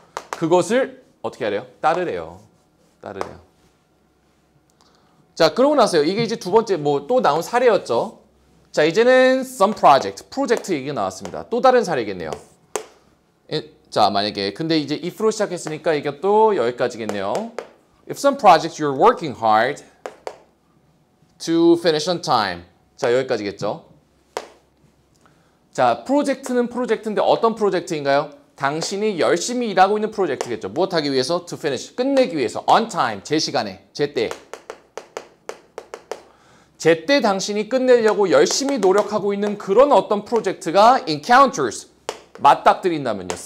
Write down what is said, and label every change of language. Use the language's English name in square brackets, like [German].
[Korean] 그것을 어떻게 하래요? 따르래요. 따르래요. 자, 그러고 나서요. 이게 이제 두 번째 뭐 또 나온 사례였죠. 자, 이제는 [English] some project, [Korean] 프로젝트 얘기가 나왔습니다. 또 다른 사례겠네요. 자, 만약에 근데 이제 if로 시작했으니까 이게 또 여기까지겠네요. [English] If some project you're working hard to finish on time. [Korean] 자, 여기까지겠죠. 자, 프로젝트는 프로젝트인데 어떤 프로젝트인가요? 당신이 열심히 일하고 있는 프로젝트겠죠. 무엇 하기 위해서? [English] To finish, [Korean] 끝내기 위해서. [English] On time, [Korean] 제 시간에, 제때. 제때 당신이 끝내려고 열심히 노력하고 있는 그런 어떤 프로젝트가 encounters, 맞닥뜨린다면요.